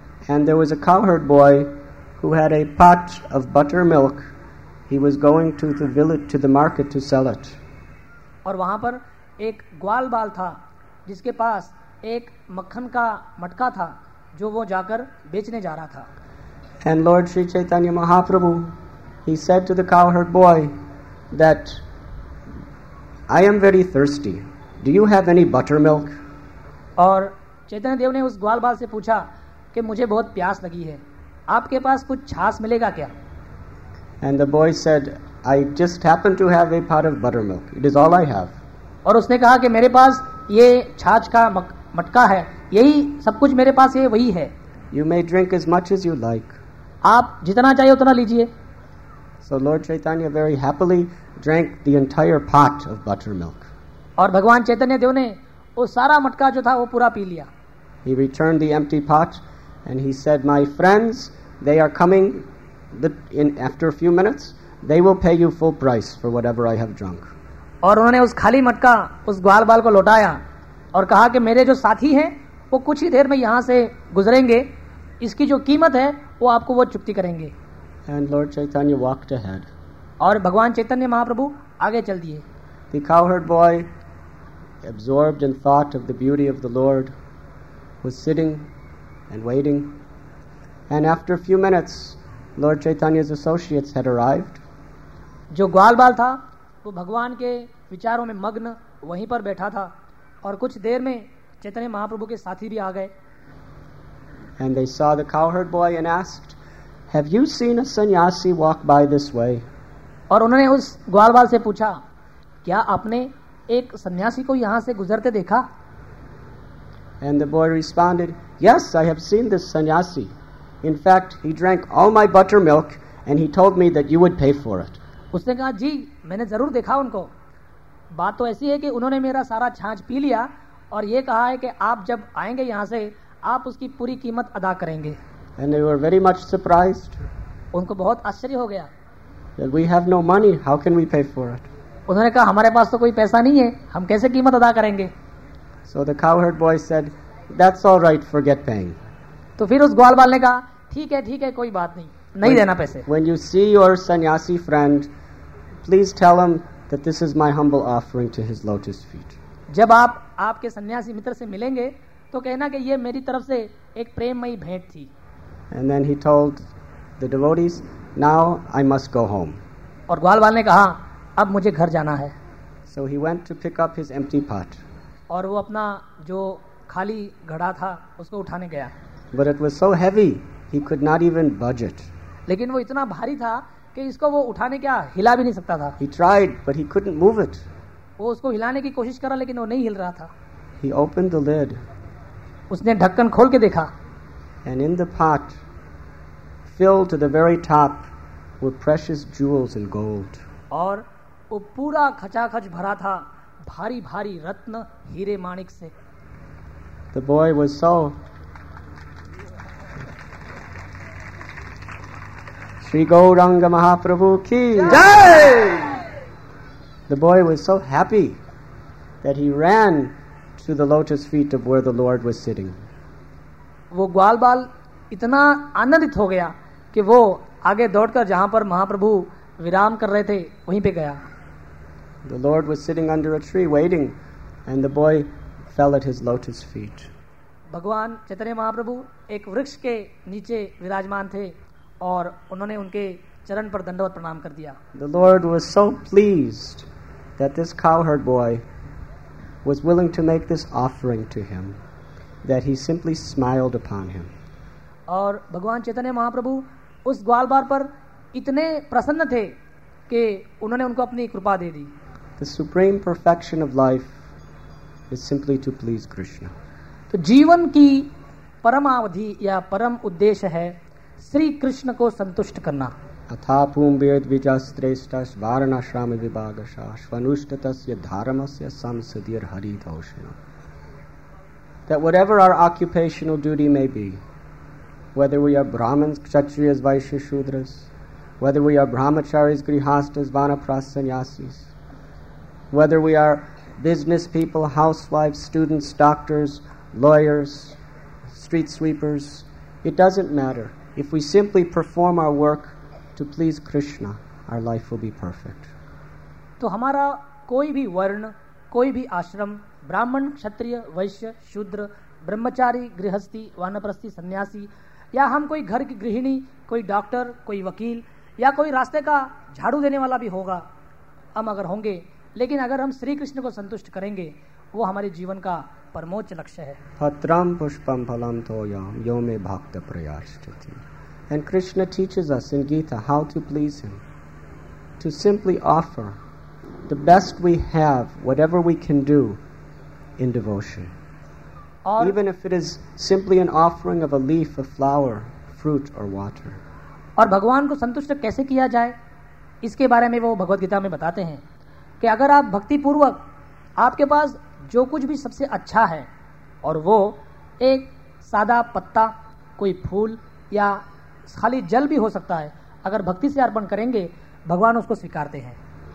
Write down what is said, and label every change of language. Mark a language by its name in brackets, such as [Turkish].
[English] And there was a cowherd boy who had a pot of buttermilk. He was going to the village, to the market to sell it. [Hindi] और वहां पर एक ग्वाल बाल था जिसके पास एक मक्खन का मटका था जो वो जाकर बेचने जा रहा था। [English] And Lord Sri Chaitanya Mahaprabhu, he said to the cowherd boy that I am very thirsty. Do you have any buttermilk? [Hindi] और चैतन्य देव ने उस ग्वाल बाल से पूछा कि मुझे बहुत प्यास लगी है, आपके पास कुछ छाछ मिलेगा क्या? [English] And the boy said, I just happen to have a pot of buttermilk. It is all I have. [Hindi] और उसने कहा कि मेरे पास ये छाछ का मटका है यही सब कुछ मेरे पास ये वही है [English] You may drink as much as you like. [Hindi] आप जितना चाहिए उतना लीजिए [English] So Lord Chaitanya very happily drank the entire pot of buttermilk. [Hindi] और भगवान चैतन्य देव ने वो सारा मटका जो था वो पूरा पी लिया [English] He returned the empty pot and he said, My friends, they are coming in after a few minutes. They will pay you full price for whatever I have drunk. [Hindi] और उन्होंने उस खाली मटका उस ग्वाल बाल को लौटाया और कहा कि मेरे जो साथी हैं वो कुछ ही देर में यहाँ से गुजरेंगे इसकी जो कीमत है वो आपको वो चुकती करेंगे [English] And Lord Chaitanya walked ahead. [Hindi] और भगवान चैतन्य महाप्रभु आगे चल दिए [English] The cowherd boy, absorbed in thought of the beauty of the Lord, was sitting and waiting. And after a few minutes, Lord Chaitanya's associates had arrived. [Hindi] जो ग्वाल बाल था वो भगवान के विचारों में मग्न वहीं पर बैठा था और कुछ देर में चैतन्य महाप्रभु के साथी भी आ गए [English] And they saw the cowherd boy and asked, Have you seen a sannyasi walk by this way? [Hindi] और उन्होंने उस ग्वाल बाल से पूछा क्या आपने एक सन्यासी को यहाँ से गुजरते देखा [English] And the boy responded, Yes, I have seen this sannyasi. In fact, he drank all my buttermilk and he told me that you would pay for it. [Hindi] उसने कहा जी मैंने जरूर देखा उनको बात तो ऐसी है कि उन्होंने मेरा सारा छाछ पी लिया और ये कहा है कि आप जब आएंगे यहाँ से आप उसकी पूरी कीमत अदा करेंगे [English] And they were very much surprised. [Hindi] उनको बहुत आश्चर्य हो गया [English] That we have no money. How can we pay for it? [Hindi] उन्होंने कहा हमारे पास तो कोई पैसा नहीं है हम कैसे कीमत अदा करेंगे [English] So the cowherd boy said, That's all right, forget paying. [Hindi] तो फिर उस ग्वाल बाल ने कहा ठीक है कोई बात नहीं नहीं देना पैसे [English] When you see your sannyasi friend, please tell him that this is my humble offering to his lotus feet. [Hindi] जब आप आपके सन्यासी मित्र से मिलेंगे तो कहना कि ये मेरी तरफ से एक प्रेममयी भेंट थी [English] And then he told the devotees, Now I must go home. [Hindi] और ग्वाल बाल ने कहा अब मुझे घर जाना है [English] So he went to pick up his empty pot. [Hindi] और वो अपना जो खाली घड़ा था उसको उठाने गया [English] But it was so heavy, he could not even budge it. [Hindi] लेकिन वो इतना भारी था कि इसको वो उठाने क्या हिला भी नहीं सकता था [English] He tried, but he couldn't move it. [Hindi] वो उसको हिलाने की कोशिश कर रहा लेकिन वो नहीं हिल रहा था [English] He opened the lid. [Hindi] उसने ढक्कन खोल के देखा [English] And in the pot, filled to the very top, were precious jewels and gold. [Hindi] और वो पूरा खचाखच भरा था भारी भारी रत्न हीरे माणिक से [English] The boy was so [Hindi] Shri Gauranga Mahaprabhu ki Jai! [English] The boy was so happy that he ran to the lotus feet of where the Lord was sitting. [Hindi] वो ग्वाल बाल इतना आनंदित हो गया कि वो आगे दौड़कर जहां पर महाप्रभु विराम कर रहे थे वहीं पे गया [English] The Lord was sitting under a tree waiting and the boy fell at his lotus feet. [Hindi] भगवान चैतन्य महाप्रभु एक वृक्ष के नीचे विराजमान थे और उन्होंने उनके चरण पर दंडवत प्रणाम कर दिया [English] The Lord was so pleased that this cowherd boy was willing to make this offering to him that he simply smiled upon him. [Hindi] और भगवान चैतन्य महाप्रभु उस ग्वाल बाल पर इतने प्रसन्न थे कि उन्होंने उनको अपनी कृपा दे दी [English] The supreme perfection of life is simply to please Krishna. [Hindi] तो जीवन की परमावधि या परम उद्देश्य है श्री कृष्ण को संतुष्ट करना [Sanskrit] अथा पूम्बेद विजस्त्रेष्टस् वारणाश्रम विभागशः स्वनुष्टतस्य धर्मस्य संसदिर हरिदोषिणः [English] That whatever our occupational duty may be, whether we are Brahmins, Kshatriyas, Vaishyas, Shudras, whether we are Brahmacharis, Grihasthas, Vanapras, Sannyasis, whether we are business people, housewives, students, doctors, lawyers, street sweepers, it doesn't matter. If we simply perform our work to please Krishna, our life will be perfect. [Hindi] To hamara koi bhi varna, koi bhi ashram, ब्राह्मण क्षत्रिय वैश्य शूद्र ब्रह्मचारी गृहस्थी वानप्रस्थी सन्यासी या हम कोई घर की गृहिणी कोई डॉक्टर कोई वकील या कोई रास्ते का झाड़ू देने वाला भी होगा हम अगर होंगे लेकिन अगर हम श्री कृष्ण को संतुष्ट करेंगे वो हमारे जीवन का परमोच्च लक्ष्य है [Sanskrit] पत्रम पुष्पम फलम तोयम यो मे भक्त प्रयास्यति [English] And Krishna teaches us in Gita how to please him to simply offer the best we have whatever we can do In devotion. or even if it is simply an offering of a leaf, a flower, fruit or water. [Hindi] और भगवान को संतुष्ट कैसे किया जाए इसके बारे में वो भगवत गीता में बताते हैं कि अगर आप भक्ति पूर्वक आपके पास जो कुछ भी सबसे अच्छा है और वो एक सादा पत्ता कोई फूल या खाली जल भी हो सकता है अगर भक्ति से अर्पण करेंगे भगवान उसको स्वीकारते हैं.